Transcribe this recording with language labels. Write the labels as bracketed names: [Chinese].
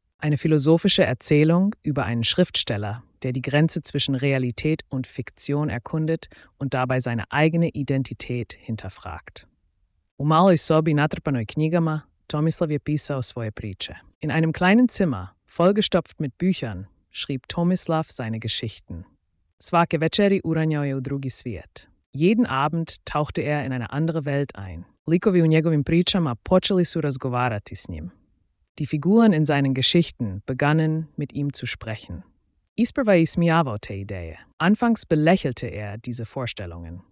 [German] Eine philosophische Erzählung über einen Schriftsteller, der die Grenze zwischen Realität und Fiktion erkundet und dabei seine eigene Identität hinterfragt. [Croatian] U maloj sobi natrpanoj knjigama, Tomislav je pisao svoje priče. [German] In einem kleinen Zimmer, vollgestopft mit Büchern, schrieb Tomislav seine Geschichten. [Croatian] Svake večeri uranjao je u drugi svijet. [German] Jeden Abend tauchte er in eine andere Welt ein. [Croatian] Likovi u njegovim pričama počeli su razgovarati s njim. [German] Die Figuren in seinen Geschichten begannen, mit ihm zu sprechen. [Croatian] Isprva je ismijavao te ideje. [German] Anfangs belächelte er diese Vorstellungen.